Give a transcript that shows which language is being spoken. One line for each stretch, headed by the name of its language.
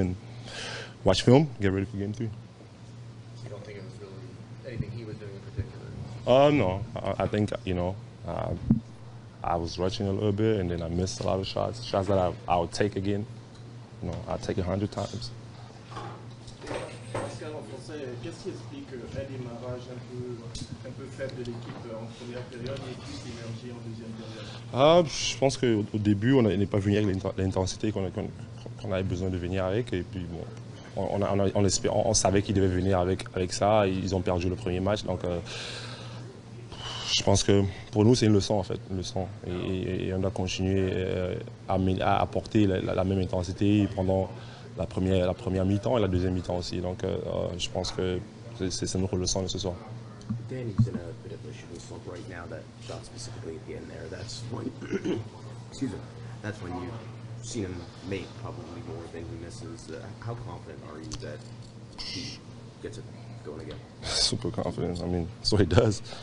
English: And watch film, get ready for game three. You don't think it was really anything he was doing in particular? No. I think, I was rushing a little bit, and then I missed a lot of shots. Shots that I would take again. I'd take 100 times.
French: Pascal, pensé, qu'est-ce qui explique Eddie Maraj un peu faible de l'équipe en première période et plus d'énergie en deuxième période? Je pense qu'au début, on n'est pas venu avec l'intensité qu'on avait besoin de venir avec. Et puis, bon. On savait qu'ils devaient venir avec ça. Ils ont perdu le premier match. Donc, je pense que pour nous, c'est une leçon, en fait. Une leçon. Et on doit continuer à apporter la même intensité pendant la première mi-temps et la deuxième mi-temps aussi. Donc, je pense que c'est notre leçon de ce soir.
English: Danny's in a bit of a shooting slump right now, that shot specifically at the end there. That's when, excuse me, that's when you. Seen him make probably more than he misses. How confident are you that he gets it going again? Super confident. I mean, so he does.